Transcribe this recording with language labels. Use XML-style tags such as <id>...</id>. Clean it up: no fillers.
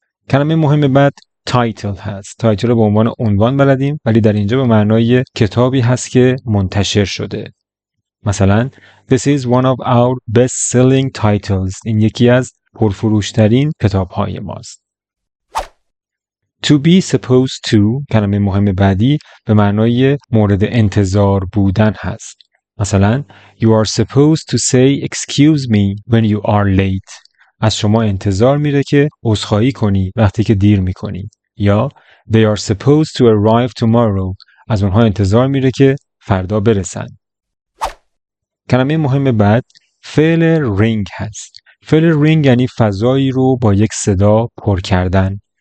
<fa>کلمه مهم بعد تایتل هست. تایتل رو به عنوان عنوان بلدیم ولی در اینجا به معنای کتابی هست که منتشر شده.</fa> <en>مثلا This is one of our best-selling titles.</en> <fa>این یکی از پرفروشترین کتاب‌های ماست.</fa> <en>To be supposed to</en> <fa>کلمه مهم بعدی به معنای مورد انتظار بودن هست.</fa> <en>مثلا You are supposed to say excuse me when you are late.</en> <fa>از شما انتظار میره که عذرخواهی کنی وقتی که دیر میکنی.</fa> <en>یا They are supposed to arrive tomorrow.</en> <fa>از اونها انتظار میره که فردا برسن. کلمه مهم بعد فعل رینگ هست. فعل رینگ یعنی فضایی رو با یک صدا پر کردن.</fa>